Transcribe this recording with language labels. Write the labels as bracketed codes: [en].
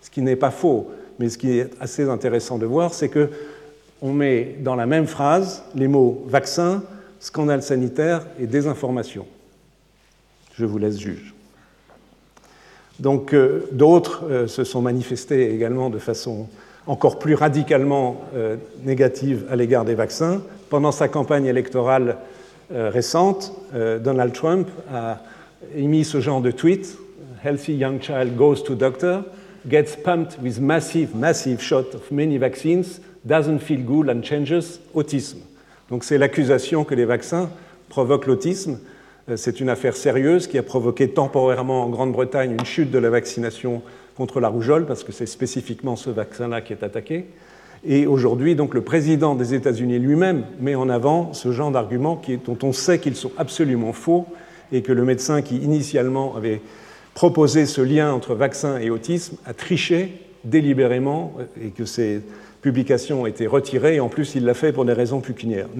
[fr] Ce qui n'est pas faux, mais ce qui est assez intéressant de voir, c'est qu'on met dans la même phrase les mots « vaccins, scandale sanitaire et désinformation ». Je vous laisse juger. Donc d'autres se sont manifestés également de façon encore plus radicalement négative à l'égard des vaccins. Pendant sa campagne électorale, récente, Donald Trump a émis ce genre de tweet: [en] Healthy young child goes to doctor, gets pumped with massive, massive shot of many vaccines, doesn't feel good and changes autism. [fr] Donc c'est l'accusation que les vaccins provoquent l'autisme. C'est une affaire sérieuse qui a provoqué temporairement en Grande-Bretagne une chute de la vaccination contre la rougeole, parce que c'est spécifiquement ce vaccin-là qui est attaqué. Et aujourd'hui, donc, le président des États-Unis lui-même met en avant ce genre d'arguments dont on sait qu'ils sont absolument faux, et que le médecin qui initialement avait proposé ce lien entre vaccin et autisme a triché délibérément, et que ses publications ont été retirées, et en plus il l'a fait pour des raisons pécuniaires.